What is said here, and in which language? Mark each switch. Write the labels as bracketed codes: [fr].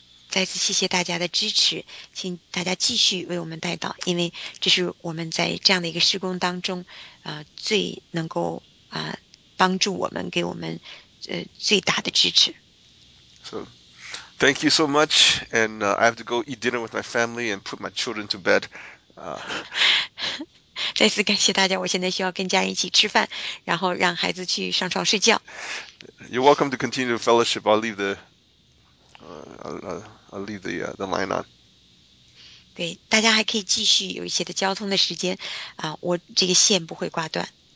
[zh] 再次谢谢大家的支持，请大家继续为我们代祷，因为这是我们在这样的一个施工当中，最能够帮助我们，给我们最大的支持。 [en] So. Thank you so much, and I have to go eat dinner with my family and put my children to bed. [zh] 再次感谢大家，我现在需要跟家人一起吃饭，然后让孩子去上床睡觉。 [en] You're welcome to continue the fellowship. I'll leave the line on. [zh] 对，大家还可以继续有一些的交通的时间，我这个线不会挂断。